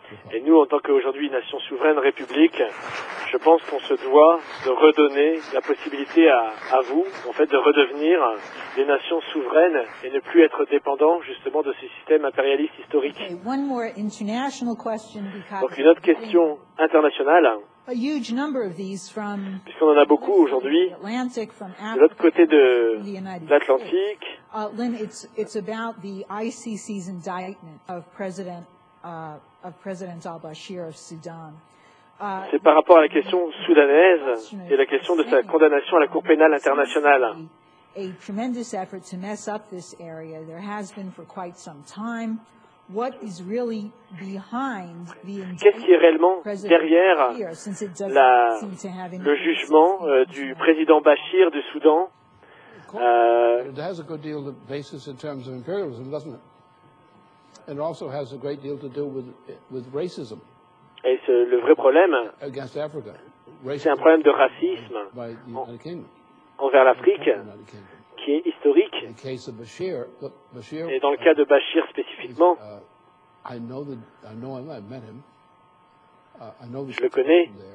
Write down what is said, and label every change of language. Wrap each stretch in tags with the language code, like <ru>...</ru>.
<fr>Et nous, en tant qu'aujourd'hui nation souveraine, république, je pense qu'on se doit de redonner la possibilité à vous, en fait, de redevenir des nations souveraines et ne plus être dépendants, justement, de ces systèmes impérialistes historiques. Donc, une autre question internationale, puisqu'on en a beaucoup aujourd'hui, de l'autre côté de l'Atlantique.</fr> <en>Lynn, it's about the ICC's indictment of President al-Bashir of Sudan.</en> <fr>C'est par rapport à la question soudanaise et la question de sa condamnation à la Cour pénale internationale.</fr> <en>A tremendous effort to mess up this area. There has been for quite some time. What is really behind the indictment?</en> <fr>Qu'est-ce qui est réellement derrière le jugement du président Bachir du Soudan?</fr> <en>It has a good deal of basis in terms of imperialism, doesn't it? And it also has a great deal to do with racism.</en> <fr>Et c'est le vrai problème, c'est un problème de racisme envers l'Afrique, qui est historique. Et dans le cas de Bachir spécifiquement, je le connais.</fr>